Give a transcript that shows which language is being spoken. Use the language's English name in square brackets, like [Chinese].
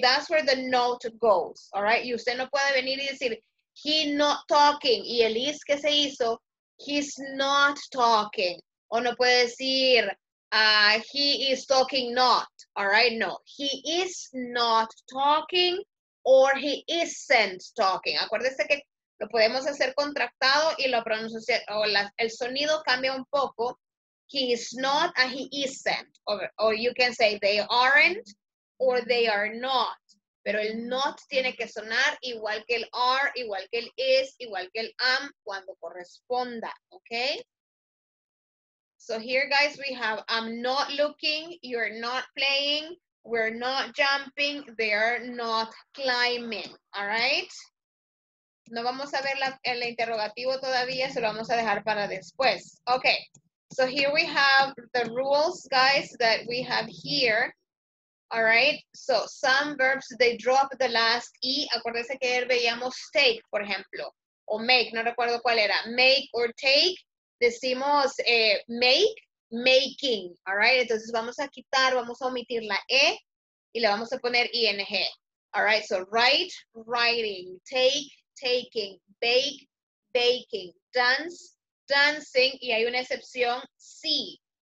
[English] That's where the not goes, all right? [Spanish] Y usted no puede venir y decir, [English] he not talking, [Spanish] y el is que se hizo, [English] he's not talking. [Spanish] O no puede decir, [English] he is talking not. All right, no. He is not talking or he isn't talking. [Spanish] Acuérdese que lo podemos hacer contractado y lo pronunciar, o la, el sonido cambia un poco. [English] He is not and he isn't. Or you can say they aren't or they are not. [Spanish] Pero el not tiene que sonar igual que el are, igual que el is, igual que el am, cuando corresponda, okay? [English] So here, guys, we have, I'm not looking, you're not playing, we're not jumping, they're not climbing, all right? [Spanish] No vamos a ver el interrogativo todavía, se lo vamos a dejar para después. [English] Okay, so here we have the rules, guys, that we have here. All right, so some verbs, they drop the last E. [Spanish] Acuérdense que ayer veíamos take, por ejemplo, o make, no recuerdo cuál era. [English] Make or take, [Spanish] decimos [English] make, making. All right, [Spanish] entonces vamos a quitar, vamos a omitir la E y le vamos a poner ING. [English] All right, so write, writing, take, taking, bake, baking, dance, dancing, [Spanish] y hay una excepción, [English] see.